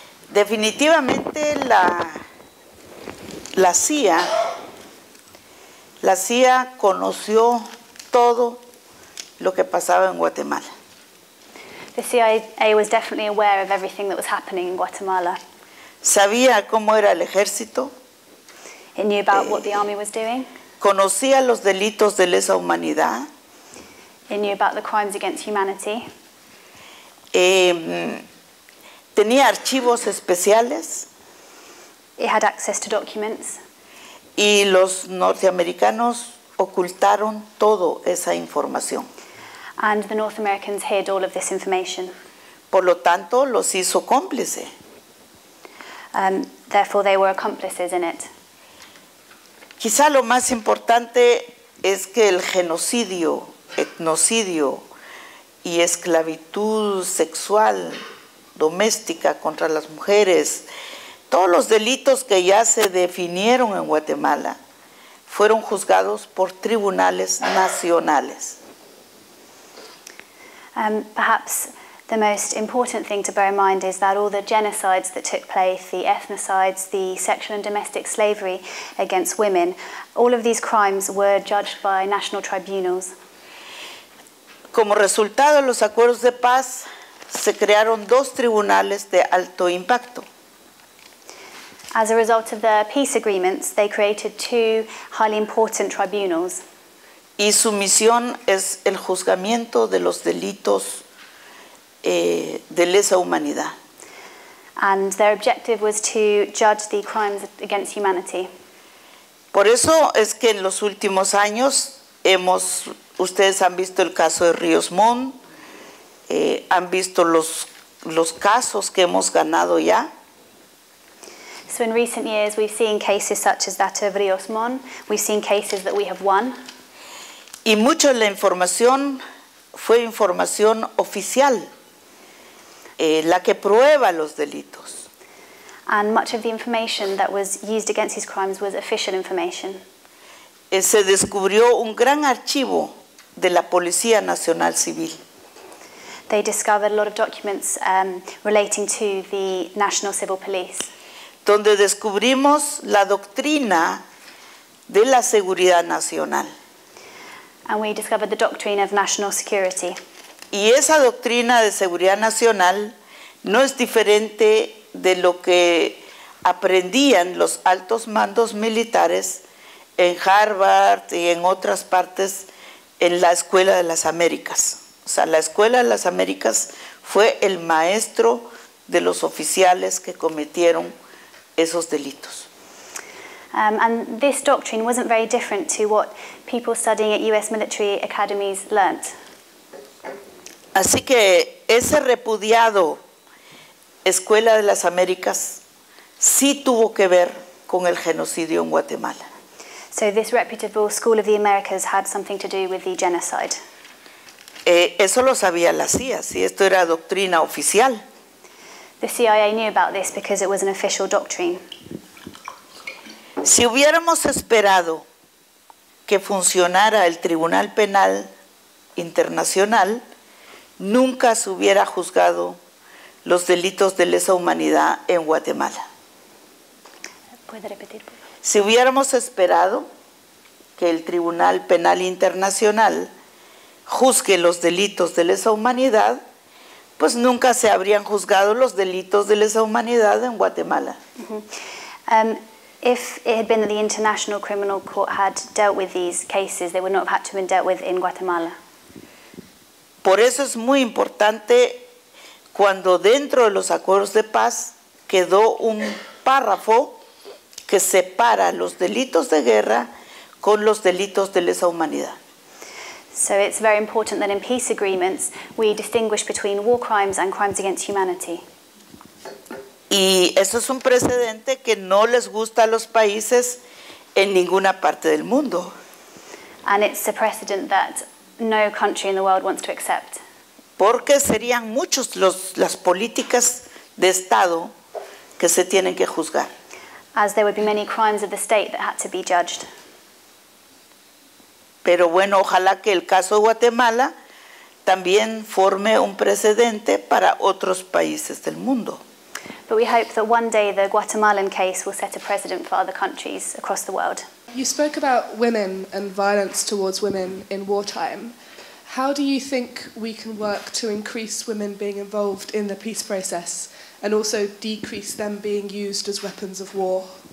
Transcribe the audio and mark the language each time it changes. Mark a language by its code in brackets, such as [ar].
[es] Definitivamente la CIA conoció todo lo que pasaba en Guatemala. [en] The CIA was definitely aware of everything that was happening in Guatemala. [es] Sabía cómo era el ejército. [en] It knew about what the army was doing. [es] Conocía los delitos de lesa humanidad. [en] It knew about the crimes against humanity. [es] Tenía archivos especiales. [en] It had access to documents. [es] Y los norteamericanos ocultaron toda esa información. [en] And the North Americans hid all of this information. [es] Por lo tanto, los hizo cómplice. [en] Therefore, they were accomplices in it. [es] Quizá lo más importante es que el genocidio, etnocidio y esclavitud sexual, doméstica contra las mujeres, todos los delitos que ya se definieron en Guatemala fueron juzgados por tribunales nacionales. [en] Perhaps the most important thing to bear in mind is that all the genocides that took place, the ethnocides, the sexual and domestic slavery against women, all of these crimes were judged by national tribunals. [es] Como resultado de los acuerdos de paz, se crearon dos tribunales de alto impacto. [en] As a result of the peace agreements, they created two highly important tribunals. [es] Y su misión es el juzgamiento de los delitos de lesa humanidad. [en] And their objective was to judge the crimes against humanity. [es] Por eso es que en los últimos años ustedes han visto el caso de Ríos Montt, han visto los casos que hemos ganado ya. [en] So in recent years we've seen cases such as that of Ríos Montt, we've seen cases that we have won. [es] Y mucho de la información fue información oficial, la que prueba los delitos. [en] And much of the information that was used against these crimes was official information. [es] Se descubrió un gran archivo de la Policía Nacional Civil. [en] They discovered a lot of documents relating to the National Civil Police. [es] Donde descubrimos la doctrina de la seguridad nacional. [en] And we discovered the doctrine of national security. [es] Y esa doctrina de seguridad nacional no es diferente de lo que aprendían los altos mandos militares en Harvard y en otras partes en la Escuela de las Américas. O sea, la Escuela de las Américas fue el maestro de los oficiales que cometieron esos delitos. [en] And this doctrine wasn't very different to what people studying at U.S. military academies learnt. [es] Así que ese repudiado Escuela de las Américas sí tuvo que ver con el genocidio en Guatemala. [en] So this reputable School of the Americas had something to do with the genocide. [es] Eso lo sabía la CIA, si esto era doctrina oficial. [en] The CIA knew about this because it was an official doctrine. [es] Si hubiéramos esperado que funcionara el Tribunal Penal Internacional, nunca se hubiera juzgado los delitos de lesa humanidad en Guatemala. ¿Puede repetir, por favor? Si hubiéramos esperado que el Tribunal Penal Internacional juzgue los delitos de lesa humanidad, pues nunca se habrían juzgado los delitos de lesa humanidad en Guatemala. [en] If it had been that the International Criminal Court had dealt with these cases, they would not have had to have been dealt with in Guatemala. [es] Por eso es muy importante cuando dentro de los acuerdos de paz quedó un párrafo que separa los delitos de guerra con los delitos de lesa humanidad. [en] So it's very important that in peace agreements we distinguish between war crimes and crimes against humanity. [es] Y eso es un precedente que no les gusta a los países en ninguna parte del mundo. [en] And it's a precedent that no country in the world wants to accept. [es] Porque serían muchos las políticas de Estado que se tienen que juzgar. [en] As there would be many crimes of the state that had to be judged. [es] Pero bueno, ojalá que el caso de Guatemala también forme un precedente para otros países del mundo. [en] But we hope that one day the Guatemalan case will set a precedent for other countries across the world. You spoke about women and violence towards women in wartime. How do you think we can work to increase women being involved in the peace process and also decrease them being used as weapons of war?